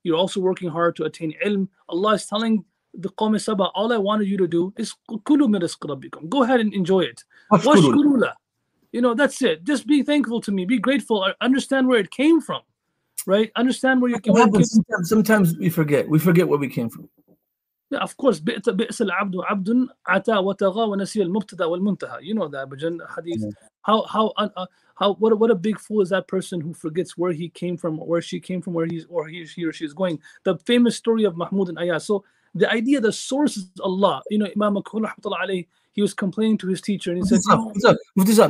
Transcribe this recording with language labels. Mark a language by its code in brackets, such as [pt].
[en] You're also working hard to attain ilm. Allah is telling the Qawm Sabah, all I wanted you to do is [ar] kulu min rizq rabbikum. [en] Go ahead and enjoy it. Washkurula. You know, that's it. Just be thankful to me. Be grateful. Understand where it came from, right? Understand where you came from. Sometimes we forget. We forget where we came from. Yeah, of course. [ar] بئس العبد عبدٌ عتا وتغى ونسي المبتدا والمنتهى. [en] You know that, Bajan Hadith. What a big fool is that person who forgets where he came from, or where she came from, where he or she is going. The famous story of Mahmud and Ayaz. So the idea, the source is Allah. You know, Imam Makhul Rahmatullah Alayhi, he was complaining to his teacher and he said,